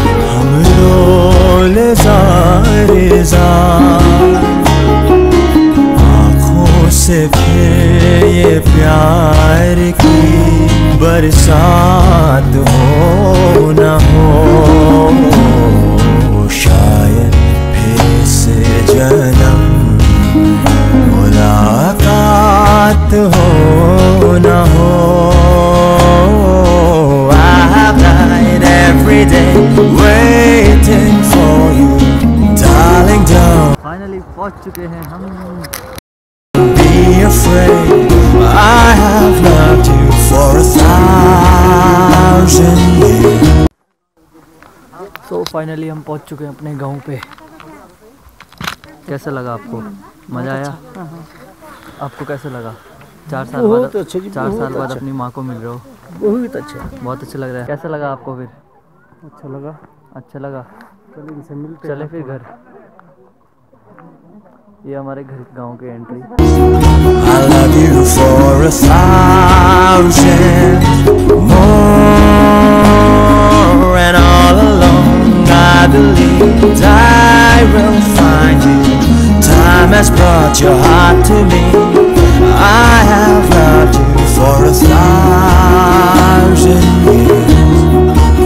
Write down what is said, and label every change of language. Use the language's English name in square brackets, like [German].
[Hindi] हम रोल सारे आँखों से फिर ये प्यार की बरसात हो ना हो, शायद फिर से जन्म मुलाकात हो ना हो। [English] I've died every day waiting for you darling down. [Hindi] Finally पहुंच चुके हैं हम। [English] Be afraid I have loved you for a thousand years. [Hindi] So finally हम पहुंच चुके हैं अपने गांव पे। कैसा लगा आपको? मजा आया? अच्छा। आपको कैसा लगा? चार साल बाद अपनी माँ को मिल रहे हो। बहुत अच्छा, बहुत अच्छा लग रहा है। कैसा लगा आपको फिर? अच्छा लगा। चले इनसे मिलते, चले फिर घर। ये हमारे घर गांव के entry. [English] I love you for a thousand more, and all along I believe I will find you. Time has brought your heart to me. I have loved you for a thousand years.